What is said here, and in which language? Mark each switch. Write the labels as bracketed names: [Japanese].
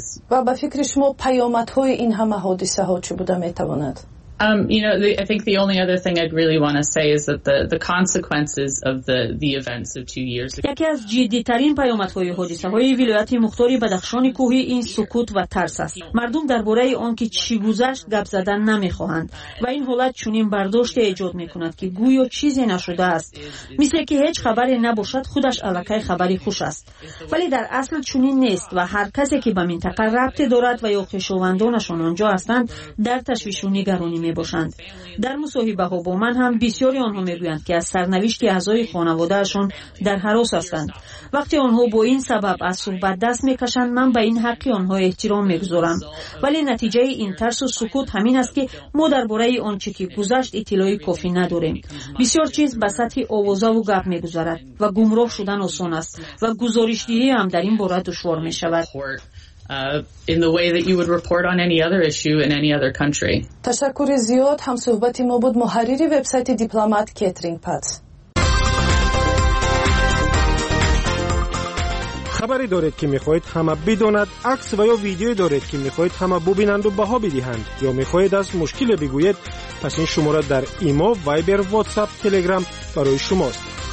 [Persian] و به فکر شما پیامدهای این همه حادثه ها چه بوده میتواند؟ [English] I think the only other thing I'd really want to say is that the consequences of the events of 2 years ago. [Persian] یکی از جدی‌ترین پیامدهای حادثه‌های ولایت مختار بدخشان کوهی این سکوت و ترس است. مردم درباره آن که چی گذشت گپ زدن نمی‌خواهند و این حالت چنین برداشت ایجاد می‌کند که گویا چیزی نشده است. مثل که هیچ خبری نباشد خودش الکی خبری خوش است. ولی در اصل چنین نیست و هر کسی که به منطقه رابطه دارد و یا خویشاوندانشان آنجا هستند در تشویش و نگرانی می باشند. در مصاحبه ها با من هم بسیاری آنها می گویند که از سرنوشت اعضای خانواده اشون در هراس هستند. وقتی آنها با این سبب از صحبت دست می کشند من به این حقی آنها احترام می گذارم. ولی نتیجه این ترس و سکوت همین است که ما در باره آنچه که گذشت اطلاعی کافی نداریم. بسیار چیز به سطح آوازه و گپ می گذارد و گمراه شدن آسان است و گزارش دهی هم در این باره دشوار می شود. [English] In the way that you would report on any other issue in any other country. [Persian] تشکر زیاد. هم صحبتی ما بود محرری وبسایت دیپلمات کترین پات. خبری دارید که میخواهید همه بدانند؟ عکس و یا ویدیوی دارید که میخواهید همه ببینند و بها بدهند؟ یا میخواهید از مشکل بگویید؟ پس این شماره در ایمو، وایبر، واتساپ، تلگرام برای شماست.